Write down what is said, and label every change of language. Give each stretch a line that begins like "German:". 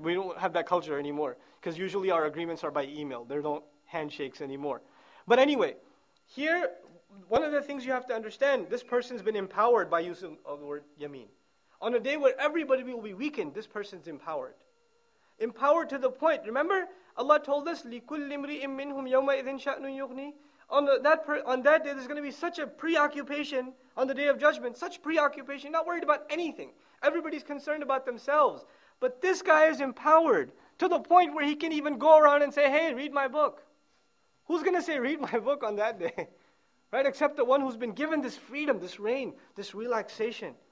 English: We don't have that culture anymore. Because usually our agreements are by email. There don't handshakes anymore. But anyway, here, one of the things you have to understand, this person's been empowered by using of the word yameen. On a day where everybody will be weakened, this person's empowered. Empowered to the point. Remember, Allah told us,
Arabic: لِكُلِّ امْرِئٍ مِّنْهُمْ يَوْمَئِذٍ شَأْنٌ يُغْنِي.
English: On that day, there's going to be such a preoccupation on the Day of Judgment, such preoccupation, not worried about anything. Everybody's concerned about themselves. But this guy is empowered to the point where he can even go around and say, hey, read my book. Who's going to say, read my book on that day? Right? Except the one who's been given this freedom, this reign, this relaxation.